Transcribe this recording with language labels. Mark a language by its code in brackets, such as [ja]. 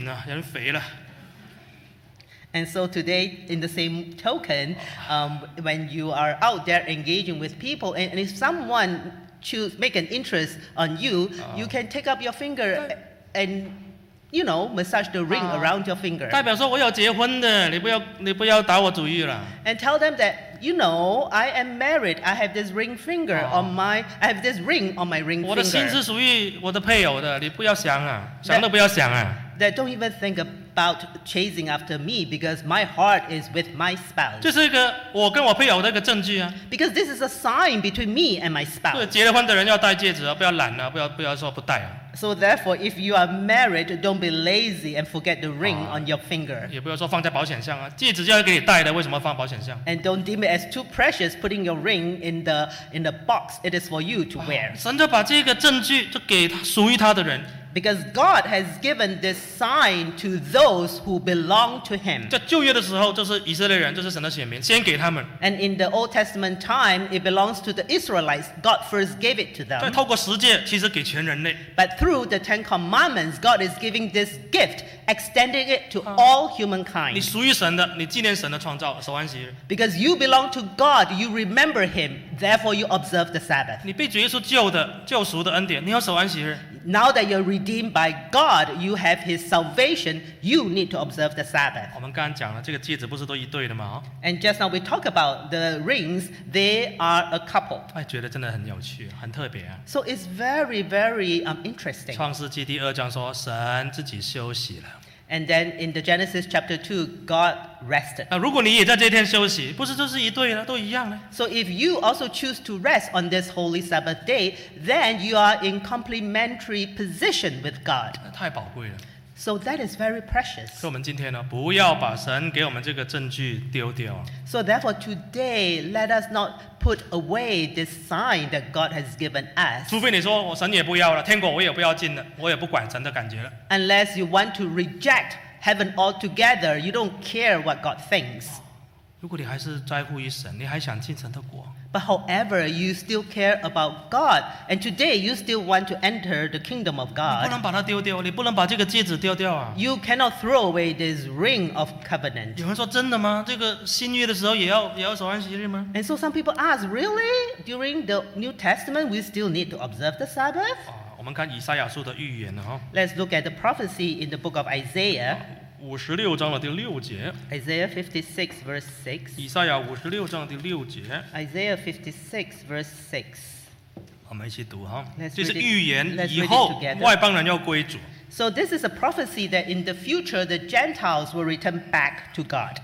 [zh] 想追你的时候啦，对你有兴趣，跟你多聊几句，你就戒指拿出来摸一摸，哎呀，这个很紧啊，人肥了。And [en] so today, in the same token, when you are out there engaging with people, and if someone choose make an interest on you, you can take up your finger and you know massage the ring around your finger. [zh] 代表说我有结婚的，你不要打我主意了。 [en] And tell them that. you know, I am married. I have this ring finger on my, I have this ring on my ring finger. [zh] 我的心是属于我的配偶的，你不要想啊，想都不要想啊。 [en] That don't even think about chasing after me because my heart is with my spouse. [zh] 这是一个我跟我配偶的一个证据啊。Because [en] this is a sign between me and my spouse. [zh] 对，结了婚的人要戴戒指啊，不要懒啊，不要说不戴啊。So [en] therefore, if you are married, don't be lazy and forget the ring on your finger. [zh] 也不要说放在保险箱啊，戒指就要给你戴的，为什么放保险箱？And [en] don't deem it as too precious putting your ring in the box. It is for you to wear. [zh] 神就把这个证据就给他属于他的人。 [en] Because God has given this sign to those who belong to Him. [zh] 在旧约的时候，就是以色列人，就是神的选民，先给他们。 [en] And in the Old Testament time, it belongs to the Israelites. God first gave it to them. [zh] 再透过十诫，其实给全人类。 [en] But through the Ten Commandments, God is giving this gift, extending it to all humankind. [zh] 你属于神的，你纪念神的创造，守安息日。 [en] Because you belong to God, you remember Him. Therefore, you observe the Sabbath. [zh] 你被主耶稣救的，救赎的恩典，你要守安息日。 [en] Now that you're redeemed by God, you have His salvation, you need to observe the Sabbath. [zh] 我们刚刚讲了，这个戒指不是都一对的吗？ [en] And just now we talk about the rings, they are a couple. [zh] 哎，觉得真的很有趣，很特别啊。 [en] So it's very, very interesting. [zh] 创世纪第二章说，神自己休息了。 [en] And then in the Genesis chapter 2, God rested. [zh] 如果你也在这天休息，不是就是一对了，都一样呢？ [en] So if you also choose to rest on this holy Sabbath day, then you are in complementary position with God. [zh] 太宝贵了。 [en] So that is very precious. [zh] 所以我们今天呢，不要把神给我们这个证据丢掉。 [en] So therefore today, let us not put away this sign that God has given us. [zh] 除非你说，我神也不要了，天国我也不要进了，我也不管神的感觉了。 [en] Unless you want to reject heaven altogether, you don't care what God thinks. [zh] 如果你还是在乎于神，你还想进神的国。 [en] But however, you still care about God, and today you still want to enter the kingdom of God. [zh] 你不能把它丢掉，你不能把这个戒指丢掉啊。You [en] cannot throw away this ring of covenant. [zh] 有人说真的吗？这个新约的时候也要守安息日吗？ [en] And so some people ask, really? During the New Testament, we still need to observe the Sabbath? [zh] 我们看以赛亚书的预言呢，Let's [en] look at the prophecy in the book of Isaiah. [zh] 56章的第6节 [en] Isaiah 56 verse 6 [zh] 以赛亚56章的第6节 [en] Isaiah 56 verse 6 [zh] 我们一起读哈 这是预言以后外邦人要归主 [en] So this is a prophecy that in the future the Gentiles will return back to God